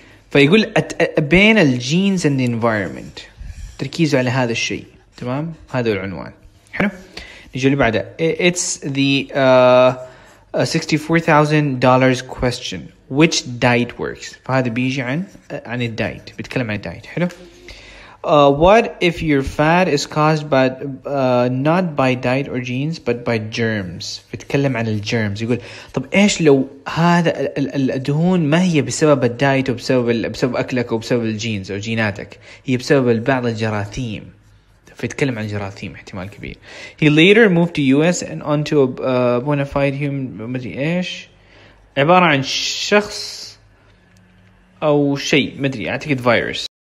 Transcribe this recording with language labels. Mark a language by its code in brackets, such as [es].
[ar] فيقول بين الجينز [en] and the environment، [ar] تركيزه على هذا الشيء، تمام، هذا العنوان. حلو، نجي اللي بعده، [en] it's the $64,000 question، which diet works. [ar] فهذا بيجي عن الدايت، بيتكلم عن الدايت. حلو، [en] what if your fat is caused by not by diet or genes but by germs. [ar] بيتكلم عن الجيرمز، يقول طب ايش لو هذا الدهون ما هي بسبب الدايت وبسبب اكلك وبسبب الجينز او جيناتك، هي بسبب بعض الجراثيم. فيتكلم عن الجراثيم احتمال كبير. [en] he later moved to US and onto a bona fide human، [ar] مدري ايش، عباره عن شخص او شيء، مدري، اعتقد فيروس،